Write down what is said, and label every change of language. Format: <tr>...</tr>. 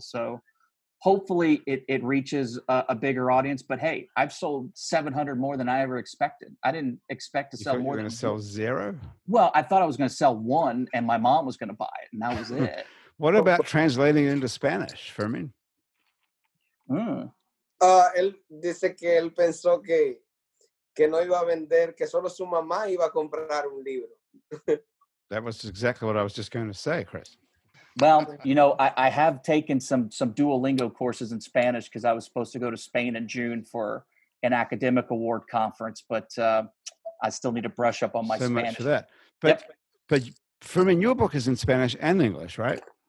<en>So hopefully it reaches a bigger audience. But hey, I've sold 700 more than I ever expected. I didn't expect to sell more than sell zero. Well, I thought I was going to sell one and my mom was going to buy it. And that was it. What about translating into Spanish, Fermin?</en> <es>Él dice que él pensó que no iba a vender, que solo su mamá iba a comprar un libro.</es> <en>That was exactly what I was just going to say, Chris. Well, you know, I have taken some Duolingo courses in Spanish because I was supposed to go to Spain in June for an academic award conference, but I still need to brush up on my Spanish. So much for that. But, but Fermin, your book is in Spanish and English, right?</en>